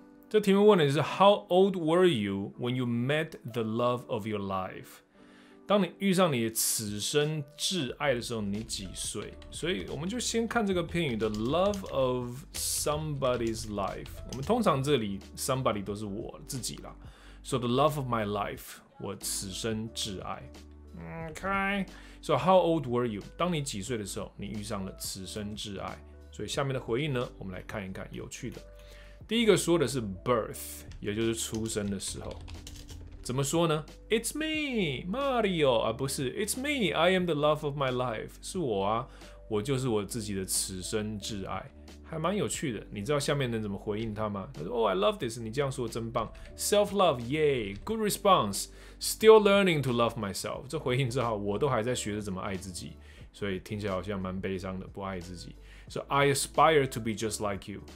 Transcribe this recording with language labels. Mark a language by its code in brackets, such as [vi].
[zh] 这题目问的是 [en] How old were you when you met the love of your life？ [zh] 当你遇上你此生挚爱的时候，你几岁？所以我们就先看这个片语的 [en] love of somebody's life。 [zh] 我们通常这里 somebody 都是我自己啦。 [en] So the love of my life， [zh] 我此生挚爱。 [en] Okay， so how old were you？ [zh] 当你几岁的时候，你遇上了此生挚爱？所以下面的回应呢，我们来看一看有趣的。第一个说的是 birth， 也就是出生的时候。怎么说呢 ？ [en] It's me, Mario [zh] 啊，不是 ， [en] It's me, I am the love of my life， [zh] 是我啊，我就是我自己的此生挚爱，还蛮有趣的。你知道下面能怎么回应他吗？他说 [en] ：“Oh, I love this， [zh] 你这样说真棒 [en] ，self love, yay, good response, still learning to love myself。” [zh] 这回应之后，我都还在学着怎么爱自己，所以听起来好像蛮悲伤的，不爱自己。 [en] So I aspire to be just like you.